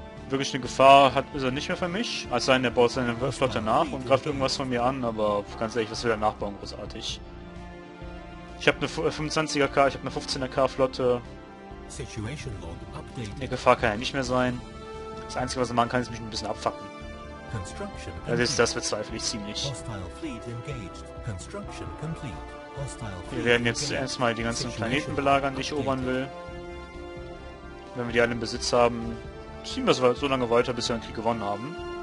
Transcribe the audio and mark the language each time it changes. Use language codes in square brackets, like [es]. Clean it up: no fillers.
[de] Wirklich eine Gefahr hat ist er nicht mehr für mich. Als sein, der baut seine Flotte nach und greift irgendwas von mir an, aber ganz ehrlich, was will er nachbauen? Großartig. Ich habe eine 25er K, ich habe eine 15er K Flotte. [en] Situation Log updated. [de] Eine Gefahr kann ja nicht mehr sein. Das Einzige, was er machen kann, ist mich ein bisschen abfacken. [en] Construction [de] complete. Das bezweifle ich ziemlich. [en] Hostile Fleet engaged. Construction complete. [de] Wir werden jetzt erstmal die ganzen Planeten belagern, die ich erobern will. Wenn wir die alle im Besitz haben, ziehen wir so lange weiter, bis wir den Krieg gewonnen haben.